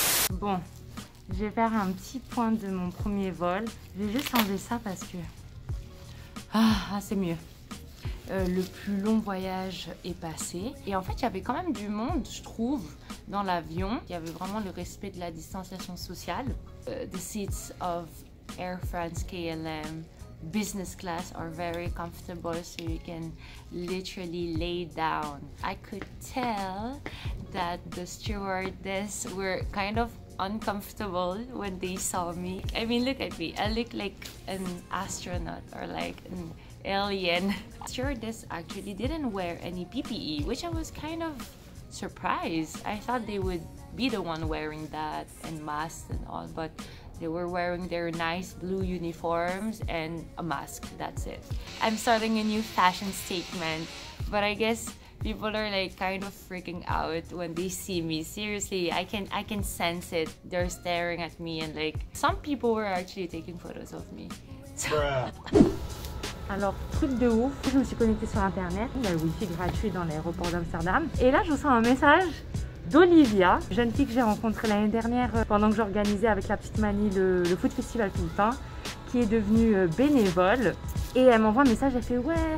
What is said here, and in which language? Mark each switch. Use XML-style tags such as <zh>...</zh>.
<fr>Bon, je vais faire un petit point de mon premier vol. Je vais juste enlever ça parce que... Ah, c'est mieux. Le plus long voyage est passé. Et en fait, il y avait quand même du monde, je trouve, dans l'avion. Il y avait vraiment le respect de la distanciation sociale.</fr> <en>The seats of Air France KLM business class are very comfortable, so you can literally lay down. I could tell that the stewardess were kind of uncomfortable when they saw me. I mean, look at me. I look like an astronaut or like an alien. The stewardess actually didn't wear any PPE, which I was kind of surprised. I thought they would be the one wearing that and masks and all, but they were wearing their nice blue uniforms and a mask. That's it. I'm starting a new fashion statement, but I guess people are like kind of freaking out when they see me. Seriously, I can sense it. They're staring at me and like some people were actually taking photos of me.</en> <fr>Alors, truc de ouf, je me suis connectée sur internet, il y a le wifi gratuit dans l'aéroport d'Amsterdam. Et là, je reçois un message d'Olivia, jeune fille que j'ai rencontrée l'année dernière pendant que j'organisais avec la petite Mani le foot festival Philippin, qui est devenue bénévole. Et elle m'envoie un message, elle fait « Ouais,</fr>